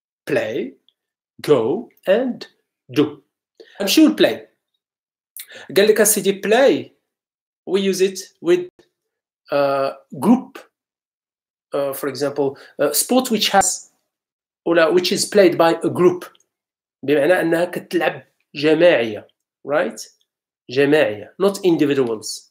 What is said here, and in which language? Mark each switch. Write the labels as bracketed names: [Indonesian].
[English] play go and do [Arabic] نمشيو [English] play [Arabic] قال لك سيدي [English] play We use it with group, for example, sports which has or which is played by a group. [Arabic] بمعنى أنها كتلعب جماعية, [English] right? [Arabic] جماعية, [English] not individuals.